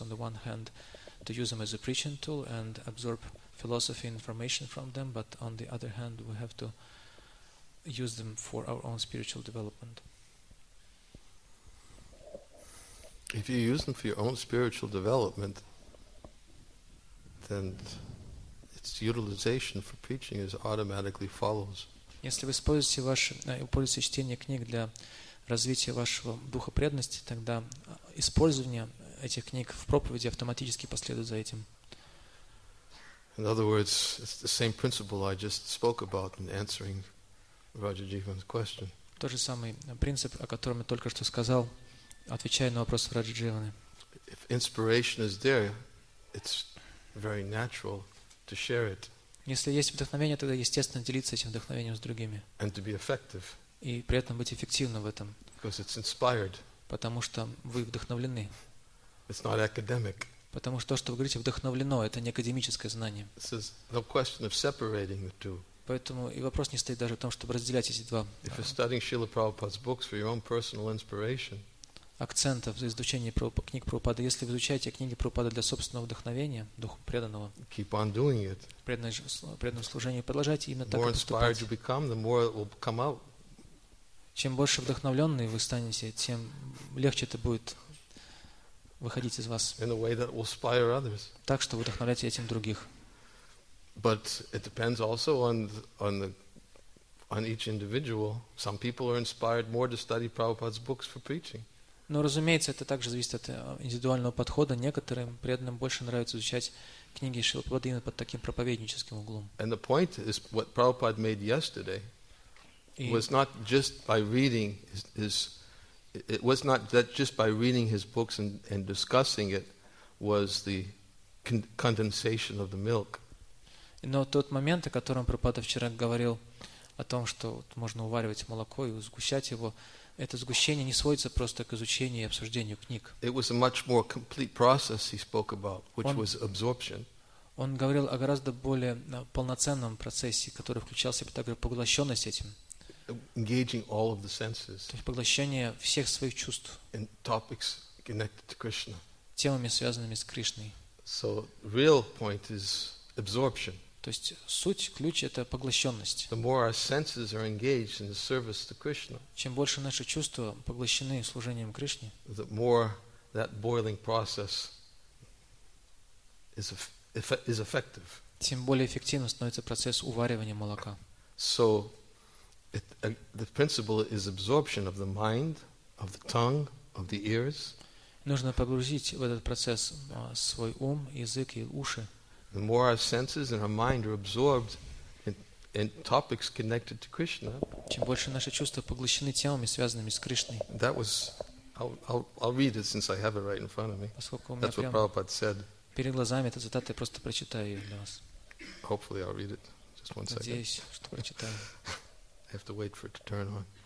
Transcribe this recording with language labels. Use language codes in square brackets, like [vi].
[en] On the one hand, to use them as a preaching tool and absorb philosophy information from them, but on the other hand, we have to use them for our own spiritual development. If you use them for your own spiritual development, then its utilization for preaching is automatically follows. [ru] Если вы используете ваше, используете чтение книг для развития вашего духа преданности, тогда использование этих книг в проповеди автоматически последует за этим. [en] In other words, it's the same principle I just spoke about in answering Raja Jeevan's question. [ru] Тот же самый принцип, о котором я только что сказал, отвечая на вопрос Раджи Дживаны. [en] If inspiration is there, it's very natural to share it. [ru] Если есть вдохновение, тогда естественно делиться этим вдохновением с другими. [en] And to be effective. [ru] И при этом быть эффективным в этом. [en] Because it's inspired. [ru] Потому что вы вдохновлены. [en] It's not academic. [ru] Потому что то, что вы говорите, вдохновлено, это не академическое знание. [en] This is no question of separating the two. [ru] Поэтому и вопрос не стоит даже в том, чтобы разделять эти два. [en] If you're studying Srila Prabhupada's books for your own personal inspiration. [ru] Акцентов за изучение книг Прабхупады. Если вы изучаете книги Прабхупады для собственного вдохновения, духу преданного, [en] keep on doing it. [ru] Преданное служение, продолжайте именно так поступать. [en] The more inspired you become, the more it will come out. [ru] Чем больше вдохновленный вы станете, тем легче это будет выходить из вас. [en] In a way that will inspire others. [ru] Так что вы вдохновляете этим других. [en] But it depends also on each individual. Some people are inspired more to study Prabhupada's books for preaching. [ru] Но, разумеется, это также зависит от индивидуального подхода. Некоторым преданным больше нравится изучать книги Шрилы Прабхупады именно под таким проповедническим углом. [en] And the point is what Prabhupada made yesterday was not just by reading his it was not that just by reading his books and discussing it was the condensation of the milk. [ru] Но тот момент, о котором Прабхупада вчера говорил, о том, что вот можно уваривать молоко и сгущать его, это сгущение не сводится просто к изучению и обсуждению книг. [en] It was a much more complete process he spoke about, which was absorption. [ru] Он говорил о гораздо более полноценном процессе, который включал в себя также поглощенность этим. [en] Engaging all of the senses. [ru] То есть поглощение всех своих чувств. [en] And topics connected to Krishna. [ru] Темами, связанными с Кришной. [en] So real point is absorption. [ru] То есть суть, ключ – это поглощенность. [en] The more our senses are engaged in the service to Krishna. [ru] Чем больше наши чувства поглощены служением Кришне. [en] The more that boiling process is effective. [ru] Тем более эффективным становится процесс уваривания молока. [en] So the principle is absorption of the mind, of the tongue, of the ears. [ru] Нужно погрузить в этот процесс свой ум, язык и уши. [en] The more our senses and our mind are absorbed in topics connected to Krishna, [ru] чем больше наши чувства поглощены темами, связанными с Кришной. [en] That was, I'll read it since I have it right in front of me. [ru] Поскольку у меня [en] That's what Prabhupada said. [ru] Перед глазами эта цитата, я просто прочитаю ее для вас. [en] Hopefully I'll read it. Just one [ru] Надеюсь, [en] second. [ru] Надеюсь, что прочитаю. [en] I have to wait for it to turn on.